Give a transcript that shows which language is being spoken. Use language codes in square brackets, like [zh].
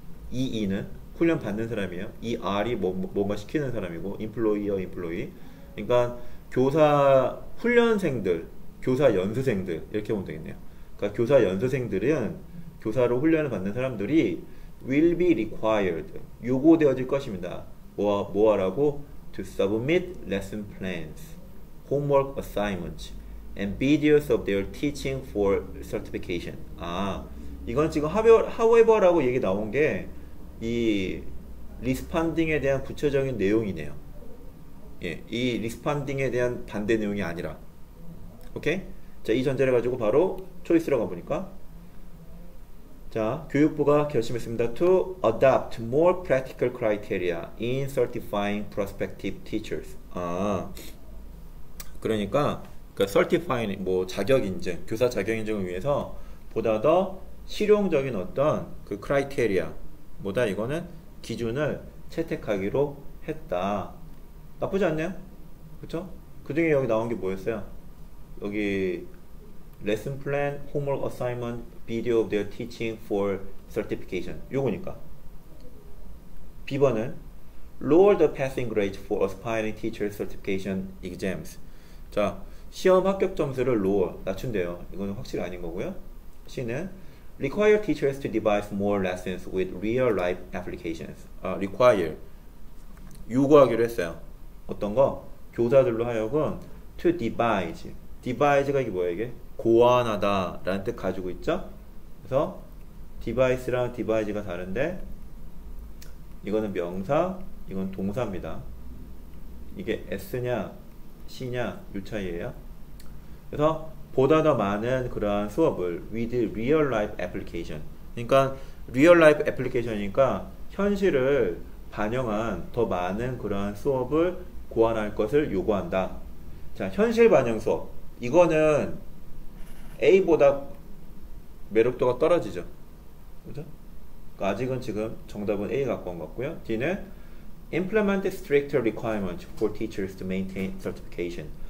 [ko] 이는 훈련받는 사람이에요. 이 R이 뭔가 시키는 사람이고, employer, employee. 그러니까 교사 훈련생들, 교사 연수생들 이렇게 보면 되겠네요. 그러니까 교사 연수생들은 교사로 훈련을 받는 사람들이 [en] will be required, [ko] 요구되어질 것입니다. 뭐하라고? [en] To submit lesson plans, homework assignments, and videos of their teaching for certification. [ko] 아, 이건 지금 however라고 얘기 나온 게이 리스판딩에 대한 구체적인 내용이네요. 예, 이 리스판딩에 대한 반대 내용이 아니라. 오케이? 자, 이 전제를 가지고 바로 초이스로 가보니까. 자, 교육부가 결심했습니다. [en] To adopt more practical criteria in certifying prospective teachers. [ko] 아, 그러니까, 그 certifying, 뭐, 자격 인증, 교사 자격 인증을 위해서 보다 더 실용적인 어떤 그 criteria, 뭐다, 이거는 기준을 채택하기로 했다. 나쁘지 않네요? 그쵸? 그 중에 여기 나온 게 뭐였어요? 여기, [en] lesson plan, homework assignment, video of their teaching for certification. [ko] 요거니까. B번은, [en] lower the passing grade for aspiring teacher certification exams. [ko] 자, 시험 합격 점수를 lower, 낮춘대요. 이거는 확실히 아닌 거고요. C는, [en] require teachers to devise more lessons with real life applications. [ko] require. 요구하기로 했어요. 어떤 거? 교사들로 하여금 to devise. devise가 이게 뭐야, 이게? 고안하다라는 뜻 가지고 있죠? 그래서 device랑 devise가 다른데, 이거는 명사, 이건 동사입니다. 이게 S냐, C냐, 요 차이에요. 그래서, 보다 더 많은 그러한 수업을 [en] with real life application. [ko] 그러니까 [en] real life application [ko] 이니까 현실을 반영한 더 많은 그러한 수업을 고안할 것을 요구한다. 자, 현실 반영 수업. 이거는 A보다 매력도가 떨어지죠. 그죠? 아직은 지금 정답은 A에 가까운 것 같고요. D는 [en] implement stricter requirements for teachers to maintain certification.